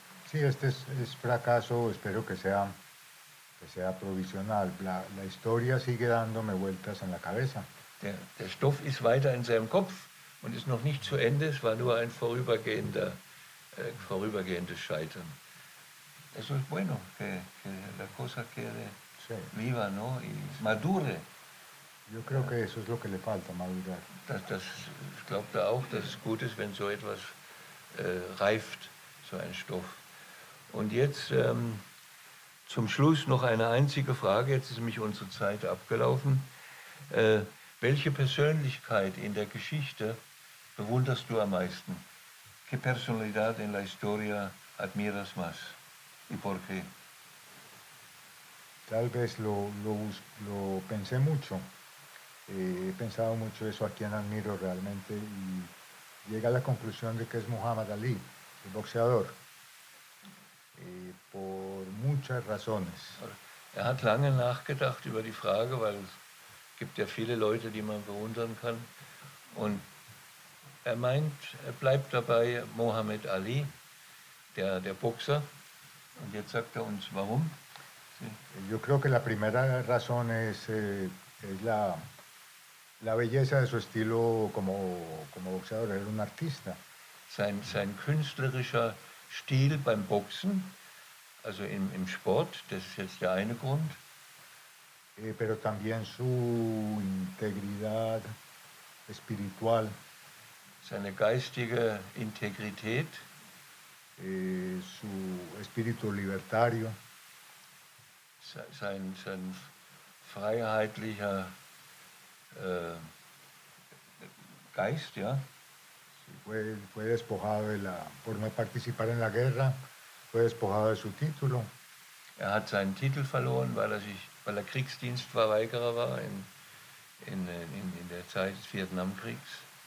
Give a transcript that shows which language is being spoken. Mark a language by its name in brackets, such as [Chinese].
[Spanish] Sí, este es fracaso, espero que sea provisional. La historia sigue dándome vueltas en la cabeza. [German] Der Stoff ist weiter in seinem Kopf und ist noch nicht zu Ende, es war nur ein vorübergehendes Scheitern. [Spanish] Eso es bueno, que la cosa quede viva, ¿no? Y madure. Yo creo que eso es lo que le falta, madurar. [German] Das glaubt er auch, dass es gut ist, wenn so etwas reift, so ein Stoff. Und jetzt zum Schluss noch eine einzige Frage, jetzt ist nämlich unsere Zeit abgelaufen. Welche Persönlichkeit in der Geschichte bewunderst du am meisten? [Spanish] ¿Qué personalidad en la historia admiras más? ¿Y por qué? Tal vez lo pensé mucho. He pensado mucho eso, a quien admiro realmente. Y llegué a la conclusión de que es Muhammad Ali, el boxeador. Por muchas razones. [German] Er hat lange nachgedacht über die Frage, weil es gibt ja viele Leute, die man bewundern kann. Und er meint, er bleibt dabei Muhammad Ali, der Boxer. Und jetzt sagt er uns, warum? [Spanish] Yo creo que la primera razón es la belleza de su estilo como boxeador. Era un artista. [German] Sein künstlerischer Stil beim Boxen. Also im Sport, das ist jetzt der eine Grund. [Spanish] Pero también su integridad espiritual. [German] Seine geistige Integrität. [Spanish] Su espíritu libertario. [German] Sein freiheitlicher Geist, ja. [Spanish] Fue despojado por no participar en la guerra. [German] Er hat seinen Titel verloren, weil er Kriegsdienstverweigerer war in der Zeit des Vietnamkriegs.